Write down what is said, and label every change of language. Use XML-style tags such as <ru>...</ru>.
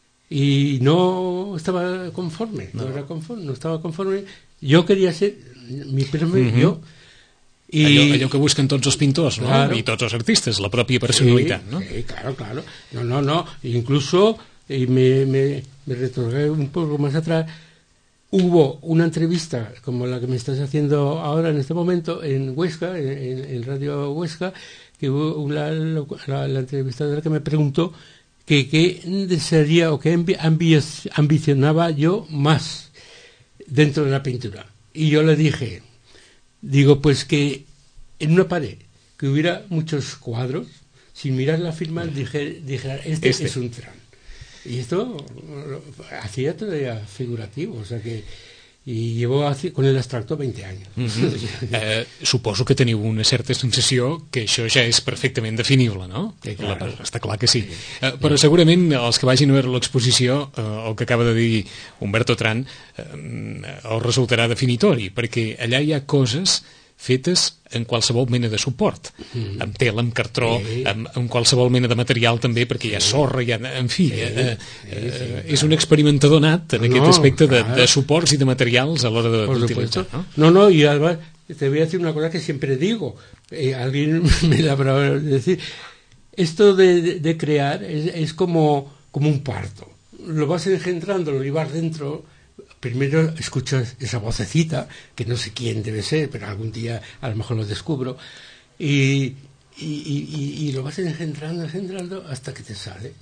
<es>Y no estaba conforme, no estaba conforme. Yo quería ser mi primer yo.</es> <ca>Y allò que busquen tots els pintors,</ca> <es>claro,</es> <ca>no? I tots els artistes, la pròpia personalitat, sí, no?</ca> <es>Sí, claro. No, incluso... Y me retorgué un poco más atrás. Hubo una entrevista como la que me estás haciendo ahora en este momento en Huesca, en Radio Huesca, que hubo la entrevistadora que me preguntó qué desearía o qué ambicionaba yo más dentro de la pintura. Y yo le dije, pues que en una pared que hubiera muchos cuadros, sin mirar la firma, dijera, este es un Terán. Y esto hacía todavía figurativo, o sea que... Y llevo con el abstracto 20 años.</es> <ca>Suposo que teniu una certa sensació que això ja és perfectament definible, no?</ca> <es>Claro.</es> <ca>Està clar que sí. Però segurament els que vagin a veure l'exposició, el que acaba de dir Humberto Terán, el resultarà definitori, perquè allà hi ha coses fetes en qualsevol mena de suport, amb tela, amb cartró, amb qualsevol mena de material també, perquè hi ha sorra, hi ha, en fi, és un experimentador nat en aquest aspecte de suports i de materials a l'hora d'utilitzar.</ca> <es>No,</es> <ca>i ara</ca> <es>te voy a decir una cosa que siempre digo, alguien me la va a decir, esto de crear es como un parto, lo vas engendrando, lo llevas dentro. Primero escuchas esa vocecita, que no sé quién debe ser, pero algún día a lo mejor lo descubro, y lo vas engendrando hasta que te sale.</es>